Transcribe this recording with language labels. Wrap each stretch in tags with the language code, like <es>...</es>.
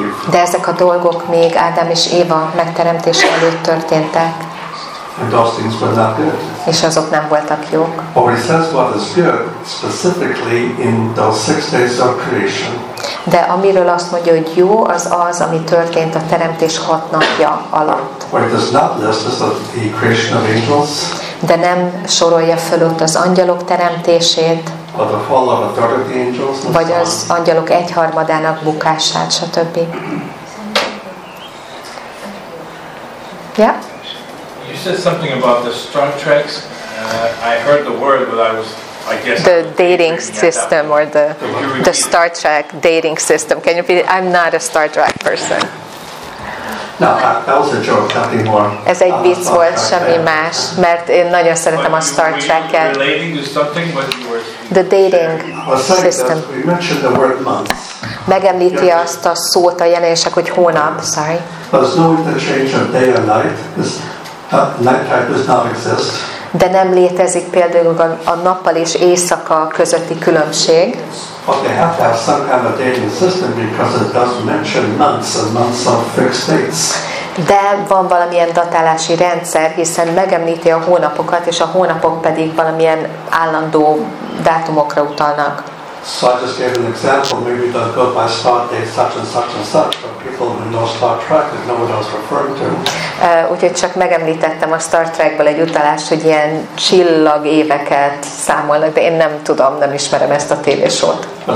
<hu>De ezek a dolgok még Ádám és Éva megteremtése előtt történtek.</hu> <en>And those things were not good.</en> <hu>És azok nem voltak jók.</hu> <en>But he says what is good specifically in those 6 days of creation.</en> <hu>De amiről azt mondja, hogy jó, az az, ami történt a teremtés 6 napja alatt.</hu> <en>Where it does not list is the creation of angels.</en> <hu>De nem sorolja föl ott az angyalok teremtését.</hu> <en>Or the fall of a third of the angels.</en> <hu>Vagy az angyalok 1/3-ának bukását, stb.</hu> <en>Yeah? You said something about the strong tracks. I heard the word, but I was, I guess. The dating system or the Star Trek dating system. Can you repeat it? I'm not a Star Trek person. No, that was a joke, nothing more.</en> <hu>Ez egy vicc volt, semmi más, mert én nagyon szeretem a Star Trek-et.</hu> <en>Relating to something, what you were saying. The dating system. We mentioned the word month.</en> <hu>Megemlíti azt a szót a jelenések, hogy hónap, sorry.</hu> <en>There's no interchange of day and night. Night does not exist.</en> <hu>De nem létezik például a nappal és éjszaka közötti különbség.</hu> <en>But they have to have some kind of dating system because it does mention months and months of fixed dates.</en> <hu>De van valamilyen datálási rendszer, hiszen megemlíti a hónapokat, és a hónapok pedig valamilyen állandó dátumokra utalnak.</hu> <en>So I just gave an example. Maybe it doesn't go by start date such and such and such, but people who know Star Trek would know what I was referring to.</en> <hu>Úgyhogy csak megemlítettem a Star Trekből egy utalást, hogy ilyen csillag éveket számolnak, de én nem tudom, nem ismerem ezt a tévésót.</hu>